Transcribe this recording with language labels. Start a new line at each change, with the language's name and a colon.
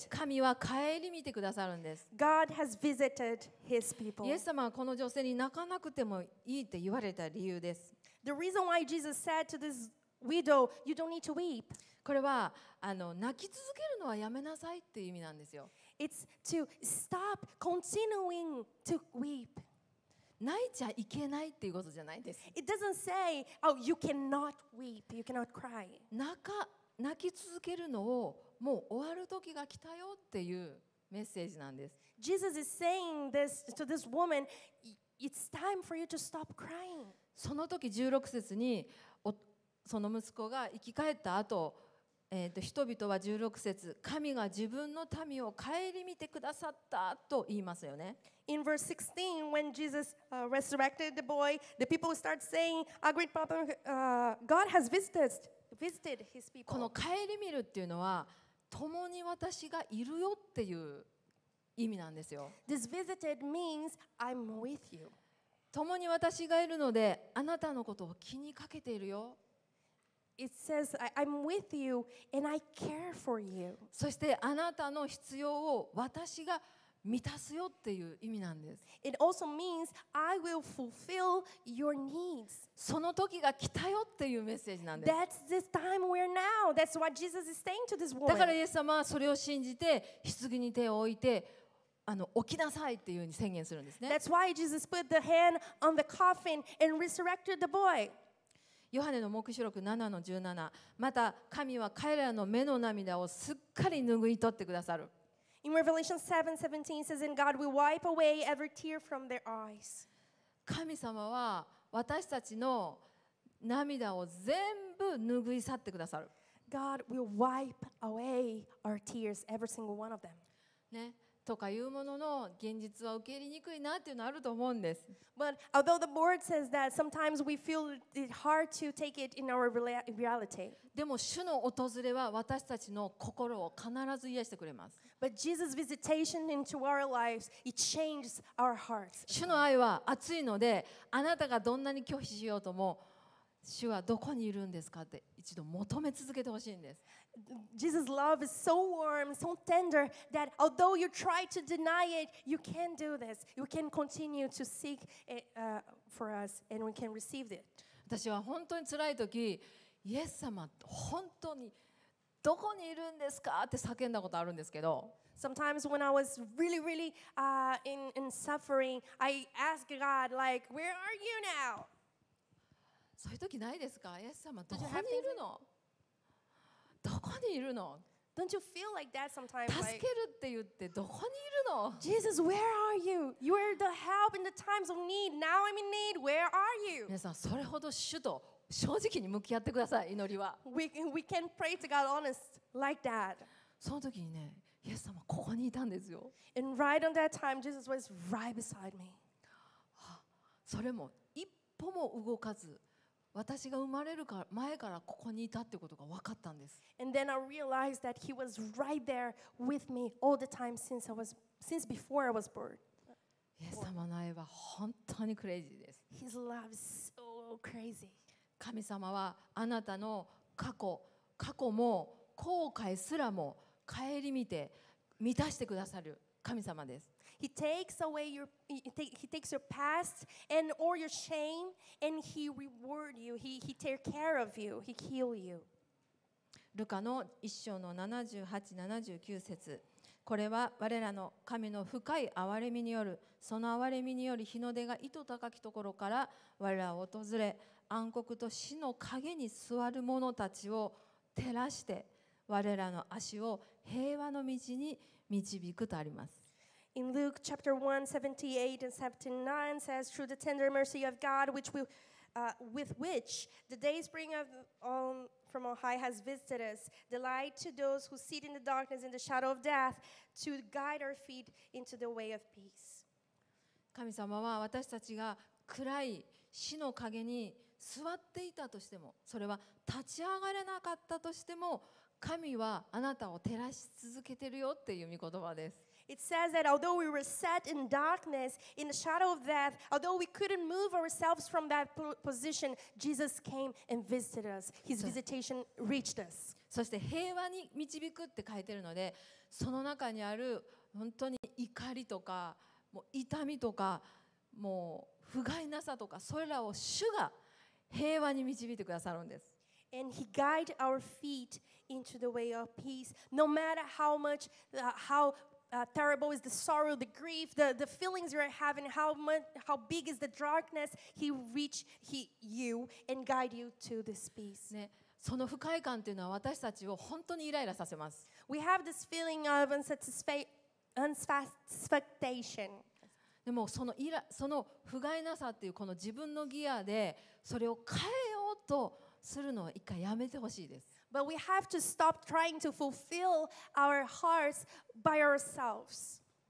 Japanese: 神は顧みてくださるんです。
English: God has visited His people.
Japanese: イエス様はこの女性に泣かなくてもいいって言われた理由です。
English: The reason why Jesus said to this widow, "You don't need to weep."
Japanese: これは泣き続けるのはやめなさいっていう意味なんですよ。
English: It's to stop continuing to weep.
Japanese: 泣いちゃいけないっていうことじゃないです。
English: It doesn't say, "Oh, you cannot weep. You cannot cry."
Japanese: 泣き続けるのをもう終わる時が来たよっていうメッセージなんです。
English: Jesus is saying this to this woman. It's time for you to stop crying.
Japanese: その時16節にその息子が生き返った後、人々は16節、神が自分の民を顧みてくださったと言いますよね。
English: In verse 16, when Jesus resurrected the boy, the people start saying, "A great Papa, God has visited His people."
Japanese: この顧みるっていうのは共に私がいるよっていう意味なんですよ。
English: This visited means I'm with you.
Japanese: 共に私がいるのであなたのことを気にかけているよ。
English: It says I'm with you and I care for you.
Japanese: そしてあなたの必要を私が満たすよっていう意味なんです。
English: It also means I will fulfill your needs.
Japanese: その時が来たよっていうメッセージなんです。
English: That's this time we're now. That's what Jesus is saying to this woman.
Japanese: だからイエス様はそれを信じて棺に手を置いて起きなさいっていうふうに宣言するんですね。
English: That's why Jesus put the hand on the coffin and resurrected the boy.
Japanese: ヨハネの黙示録 7-17 また神は彼らの目の涙をすっかり拭い取ってくださる。
English: In Revelation 7:17 it says, And God will wipe away every tear from their eyes.
Japanese: 神様は私たちの涙を全部拭い去ってくださる。
English: God will wipe away our tears, every single one of them.
Japanese: ね。とかいうものの現実は受け入れにくいなっていうのあると思うんです。
English: But although the board says that sometimes we feel it hard to take it in our reality.
Japanese: でも主の訪れは私たちの心を必ず癒してくれます。
English: But Jesus' visitation into our lives it changes our hearts.
Japanese: 主の愛は熱いのであなたがどんなに拒否しようとも主はどこにいるんですかって一度求め続けてほしいんです。
English: Jesus' love is so warm, so tender that although you try to deny it, you can do this. You can continue to seek it, for us, and we can receive it.
Japanese: 私は本当に辛い時、イエス様本当にどこにいるんですかって叫んだことあるんですけど。
English: Sometimes when I was really, really, in suffering, I asked God, like, "Where are you now?"
Japanese: そういう時ないですか、イエス様どこにいるの？どこにいるの？
English: Don't you feel like that sometimes?
Japanese: 助けるって言ってどこにいるの？
English: Jesus, where are you? You are the help in the times of need. Now I'm in need. Where are you?
Japanese: 皆さんそれほど主と正直に向き合ってください祈りは。
English: We can pray to God honest like that.
Japanese: その時にね、イエス様ここにいたんですよ。
English: And right on that time, Jesus was right beside me.
Japanese: それも一歩も動かず。私が生まれる前からここにいたってことが分かったんです。
English: And then I realized that he was right there with me all the time since before I was born.
Japanese: イエス様の愛は本当にクレイジーです。
English: His love is so crazy.
Japanese: 神様はあなたの過去も後悔すらも顧みて満たしてくださる神様です。
English: He takes away your he takes your past and or your shame and he reward you. He take care of you. He heal you.
Japanese: ルカの一章の78-79節。これは我らの神の深い憐れみによる、その憐れみにより日の出が糸高きところから我らを訪れ、暗黒と死の影に座る者たちを照らして我らの足を平和の道に導くとあります。
English: In Luke chapter 1:78-79 says, Through the tender mercy of God, with which the day spring of from on high has visited us, the light to those who sit in the darkness in the shadow of death, to guide our feet into the way of peace.
Japanese: 神様は私たちが暗い死の影に座っていたとしても、それは立ち上がれなかったとしても、神はあなたを照らし続けてるよっていう御言葉です。
English: It says that although we were set in darkness, in the shadow of death, although we couldn't move ourselves from that position, Jesus came and visited us. His visitation reached us.
Japanese: そして平和に導くって書いてるので、その中にある本当に怒りとか、もう痛みとか、もう不甲斐なさとか、それらを主が平和に導いてくださるんです。
English: And he guides our feet into the way of peace, no matter how much, terrible is the sorrow, the grief, the feelings you're having, how big is the darkness, he reach you and guide you to this peace.
Japanese: ね、その不快感というのは私たちを本当にイライラさせます。
English: We have this feeling of unsatisfaction.
Japanese: でもその不甲斐なさっていうこの自分のギアでそれを変えようとするのを一回やめてほしいです。
English: But we have to stop trying to fulfill our hearts by ourselves.